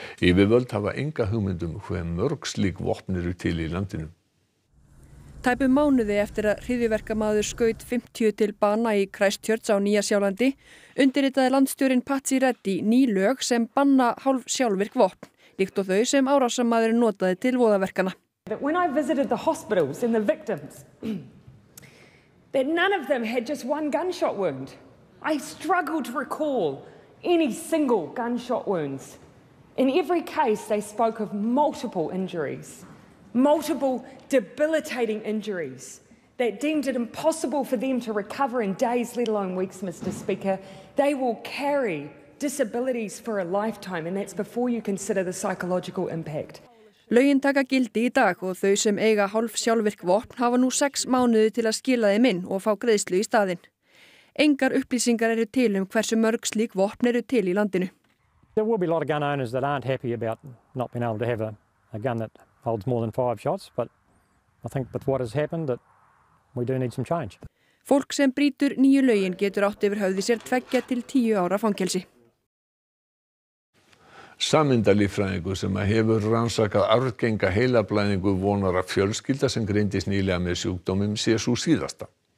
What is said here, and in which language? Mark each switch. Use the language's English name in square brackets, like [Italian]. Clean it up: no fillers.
[Icelandic] Yfirvöld hafa enga hugmyndum hve mörg slík vopn eru til í landinu. Tæpum mánuði eftir að hryðjuverkamaður skaut 50 til bana í Christchurch á Nýja Sjálandi, undirritaði landstjórinn Patsy Reddy ný lög sem banna hálf sjálfvirk vopn, líkt og þau sem árásamaðurinn notaði til voðaverkana. [English] When I visited the hospitals and the victims, that none of them had just one gunshot wound. I struggled to recall any single gunshot wounds. In every case, they spoke of multiple injuries. Multiple debilitating injuries that deemed it impossible for them to recover in days, let alone weeks, Mr. Speaker. They will carry disabilities for a lifetime, and that's before you consider the psychological impact. [Icelandic] Lögin taka gildi í dag og þau sem eiga hálf sjálfvirk vopn hafa nú 6 mánuði til að skila þeim inn og fá greiðslu í staðinn. Engar upplýsingar eru til hversu mörg slík vopn eru til í landinu. [English] There will be a lot of gun owners that aren't happy about not being able to have a gun that holds more than 5 shots, but I think with what has happened that we do need some change. [Icelandic] Fólk sem brýtur nýju lögin getur átt yfir höfði sér 2-10 ára fangelsi. Sameindalíffræðingur sem hefur rannsakað arfgenga heilablæðingu vonar að fjölskylda sem greindist nýlega með sjúkdómum sé sú síðasta.